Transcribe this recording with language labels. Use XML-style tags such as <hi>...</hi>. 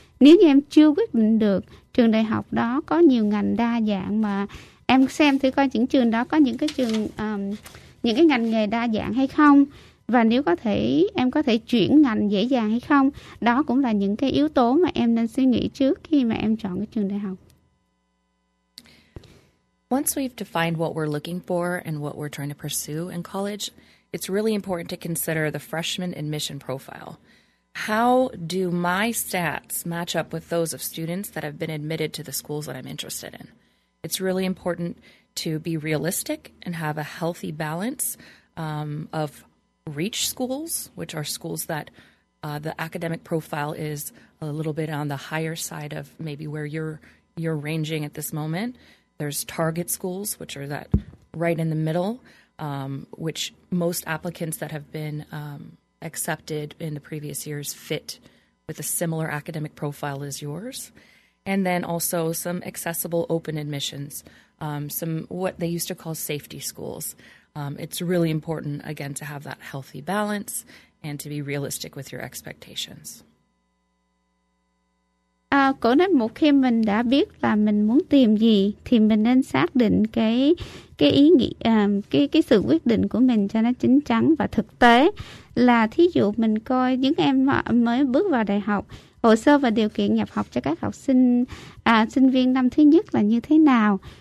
<vi>Nếu như em chưa quyết định được, trường đại học đó có nhiều ngành đa dạng mà em xem thử coi những trường đó có những cái trường những cái ngành nghề đa dạng hay không, và nếu có thể em có thể chuyển ngành dễ dàng hay không. Đó cũng là những cái yếu tố mà em nên suy nghĩ trước khi mà em chọn cái trường đại học.</vi> <en>Once we've defined what we're looking for and what we're trying to pursue in college, it's really important to consider the freshman admission profile. How do my stats match up with those of students that have been admitted to the schools that I'm interested in? It's really important to be realistic and have a healthy balance of reach schools, which are schools that the academic profile is a little bit on the higher side of maybe where you're ranging at this moment. There's target schools, which are that right in the middle, which most applicants that have been accepted in the previous years fit with a similar academic profile as yours. And then also some accessible open admissions, some what they used to call safety schools. It's really important, again, to have that healthy balance and to be realistic with your expectations.</en> <vi>Cô nói một khi mình đã biết là mình muốn tìm gì thì mình nên xác định cái ý nghĩa, cái sự quyết định của mình cho nó chín chắn và thực tế. Là thí dụ mình coi những em mới bước vào đại học, hồ sơ và điều kiện nhập học cho các học sinh, sinh viên năm thứ nhất là như thế nào?</vi>